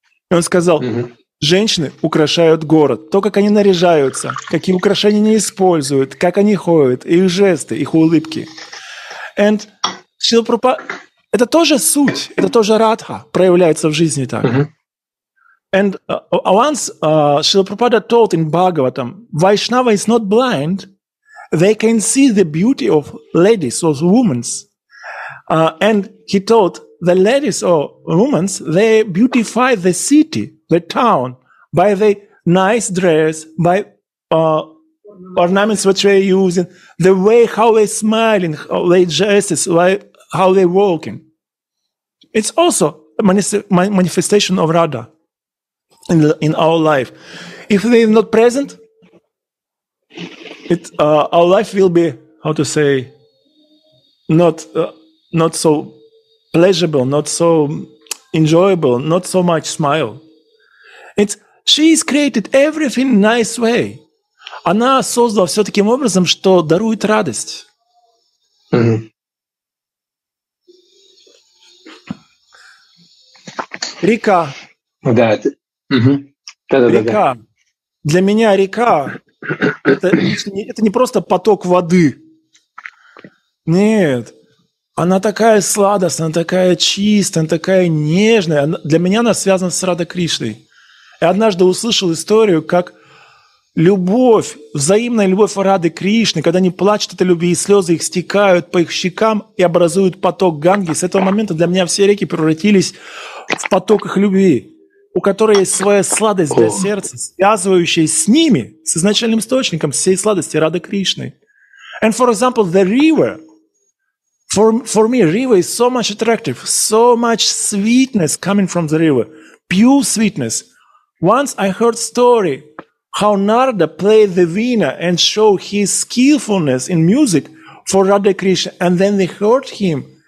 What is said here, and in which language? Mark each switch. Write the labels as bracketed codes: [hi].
[ru] И он сказал, женщины украшают город. То, как они наряжаются, какие украшения они используют, как они ходят, их жесты, их улыбки. [en] And [ru] Шрила Прабхупада... Это тоже суть, это тоже радха проявляется в жизни так. [en] And once Srila Prabhupada told in Bhagavatam, Vaishnava is not blind, they can see the beauty of ladies or women. And he told, the ladies or women, they beautify the city, the town, by the nice dress, by ornaments which they're using, the way how they're smiling, how they're dressed, how they're walking. It's also a manifestation of Radha in our life. If they are not present, our life will be, how to say, not so pleasurable, not so enjoyable, not so much smile. She has created everything in a nice way. [ru] Она создала все таким образом, что дарует радость. Река. Да. Река. Для меня река – это не просто поток воды. Нет. Она такая сладостная, она такая чистая, она такая нежная. Для меня она связана с Радой Кришной. Я однажды услышал историю, как любовь, взаимная любовь Рады Кришны, когда они плачут этой любви, и слезы их стекают по их щекам и образуют поток Ганги. С этого момента для меня все реки превратились в потоках любви, у которой есть своя сладость для сердца, связывающая с ними, с изначальным источником всей сладости Рады Кришны. [en] And for example, the river, for me, river is so much attractive, so much sweetness coming from the river, pure sweetness. Once I heard story how Narada played the veena and show his skillfulness in music for Rada Krishna, and then they heard him.